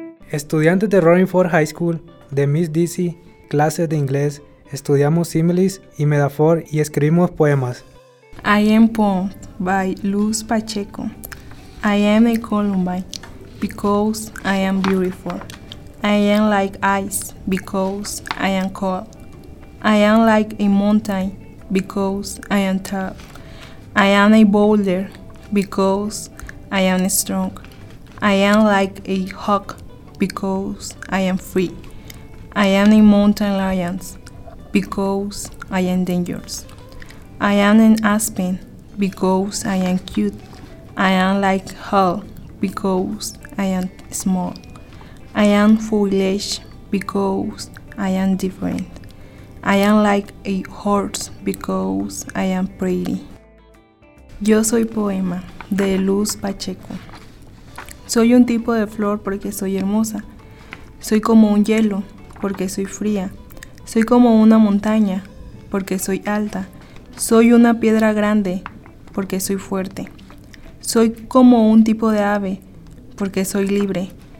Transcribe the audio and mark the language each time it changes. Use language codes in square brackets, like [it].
[es] Estudiantes de Roaring Fork High School, de Miss Dizzy, clases de inglés, estudiamos símiles y metáfor y escribimos poemas. [en] I am poem by Luz Pacheco. I am a columbine because I am beautiful. I am like ice because I am cold. I am like a mountain because I am tall. I am a boulder because I am strong. I am like a hawk because I am free. I am a mountain lion because I am dangerous. I am an aspen because I am cute. I am like hell because I am small. I am foolish because I am different. I am like a horse because I am pretty. [es] Yo soy poema, de Luz Pacheco. Soy un tipo de flor porque soy hermosa. Soy como un hielo porque soy fría. Soy como una montaña porque soy alta. Soy una piedra grande porque soy fuerte. Soy como un tipo de ave porque soy libre.